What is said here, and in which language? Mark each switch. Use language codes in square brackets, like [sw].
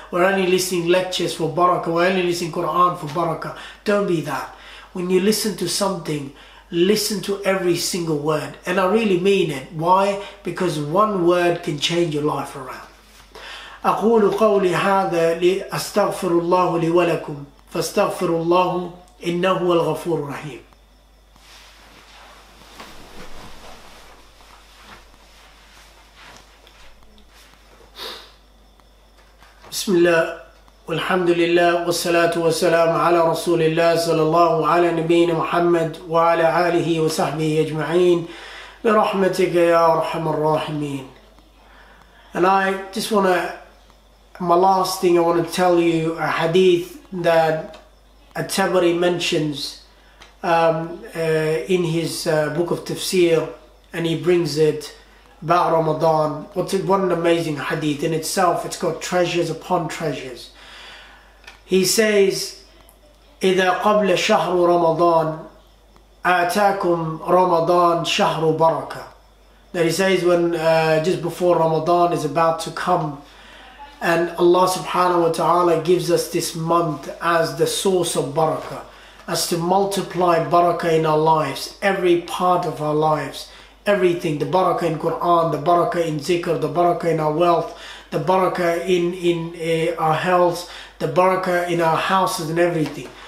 [en] We're only listening lectures for barakah. We're only listening Quran for barakah. Don't be that. When you listen to something, listen to every single word. And I really mean it. Why? Because one word can change your life around. [ar] أقول قولي هذا لأستغفر الله لي ولكم فاستغفر الله إنه الغفور الرحيم. بسم الله والحمد لله والصلاة والسلام على رسول الله صلى الله على نبينا محمد وعلى آله وصحبه أجمعين برحمتك يا أرحم الراحمين. [en] And I just wanna, my last thing I wanna tell you, a hadith that At-Tabari mentions in his book of Tafsir, and he brings it about Ramadan. What an amazing hadith in itself. It's got treasures upon treasures. He says, [ar] إِذَا قَبْلَ شَهْرُ رَمَضَانَ أَعْتَاكُمْ رَمَضَانَ شَهْرُ بَرَكَةً. [en] That he says when just before Ramadan is about to come, and Allah subhanahu wa ta'ala gives us this month as the source of barakah, as to multiply barakah in our lives, every part of our lives. Everything, the barakah in Quran, the barakah in zikr, the barakah in our wealth, the barakah in our health, the barakah in our houses and everything.